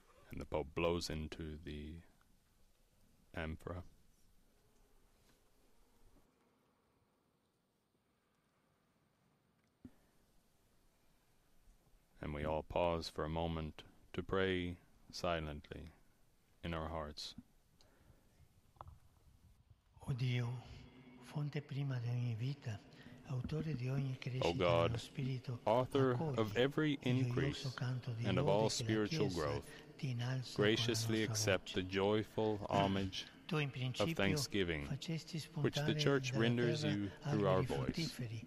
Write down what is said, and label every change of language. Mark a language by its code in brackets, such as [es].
[en] And the Pope blows into the amphora. And we all pause for a moment to pray silently in our hearts. [it] O Dio, fonte prima di ogni vita, autore di ogni crescita dello spirito, [en] author of every increase and of all spiritual growth, graciously accept the joyful homage of thanksgiving which the Church renders you through our voice.